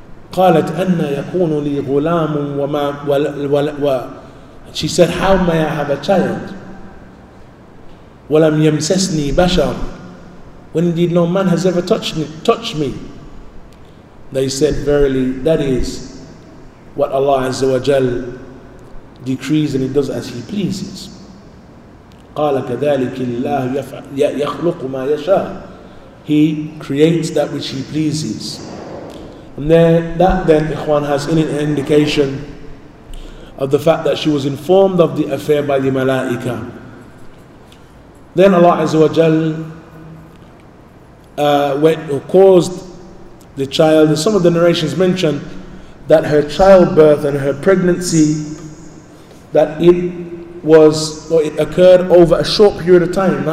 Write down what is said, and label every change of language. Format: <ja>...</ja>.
<ar>قالت أن يكون لي غلام وما و</ar> <en>she said, "How may I have a child?</en> <ar>ولم يمسسني بشر,"</ar> <en>when indeed no man has ever touched me. They said, "Verily, that is what Allah Azza wa Jal decrees, and He does as He pleases."</en> <ar>قال كذلك الله يخلق ما يشاء.</ar> <en>He creates that which He pleases. And there, that then, ikhwan, has in it an indication of the fact that she was informed of the affair by the malaika. Then Allah Azza wa Jal caused the child, and some of the narrations mention that her childbirth and her pregnancy, that it was, or it occurred over a short period of time.</en>